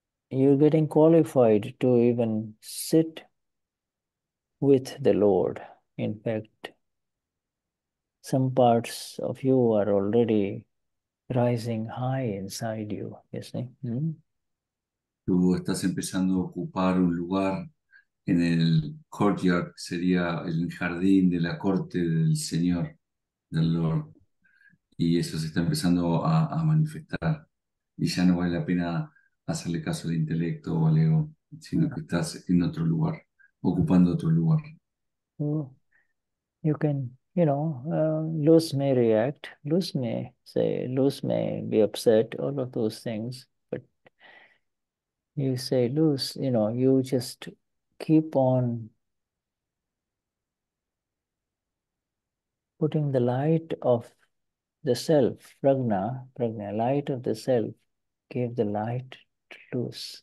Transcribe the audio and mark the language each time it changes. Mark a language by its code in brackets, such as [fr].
[en] You're getting qualified to even sit with the Lord. In fact, some parts of you are already rising high inside you, you see. [es] Tú estás empezando a ocupar un lugar. En el courtyard sería el jardín de la corte del Señor, del Lord. Y eso se está empezando a manifestar. Y ya no vale la pena hacerle caso de intelecto o al ego, sino que estás en otro lugar, ocupando otro lugar. [en] You can, you know, Luz may react, Luz may say, Luz may be upset, all of those things. But you say, Luz, you know, you just... keep on putting the light of the self, pragna, light of the self, give the light to Luz.